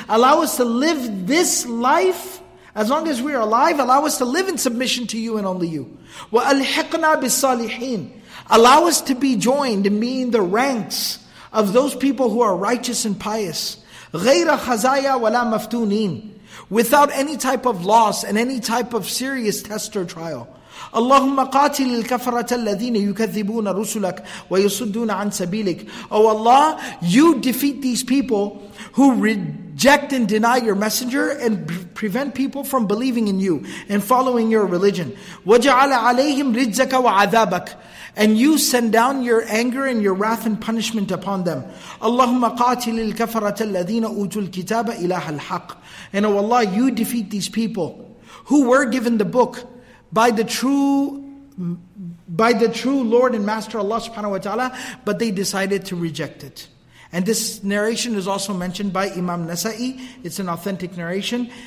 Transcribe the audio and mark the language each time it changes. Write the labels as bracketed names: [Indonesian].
[English] Allow us to live this life, as long as we are alive, allow us to live in submission to you and only you. [Arabic] وَأَلْحِقْنَا بِالصَّالِحِينَ. [English] Allow us to be joined and be in the ranks of those people who are righteous and pious. [Arabic] غَيْرَ خَزَايَا وَلَا مَفْتُونِينَ. [English] Without any type of loss and any type of serious test or trial. [Arabic] اللهم قاتل الكفرة الذين يكذبون رسلك ويصدون عن سبيلك. [English] O Allah, you defeat these people who reject and deny your messenger and prevent people from believing in you and following your religion. [Arabic] وجعل عليهم رجزك وعذابك. [English] And you send down your anger and your wrath and punishment upon them. [Arabic] اللهم قاتل الكفرة الذين أوتوا الكتاب إله الحق. [English] And O Allah, you defeat these people who were given the book by the true Lord and Master Allah subhanahu wa ta'ala, but they decided to reject it. And this narration is also mentioned by Imam Nasa'i. It's an authentic narration.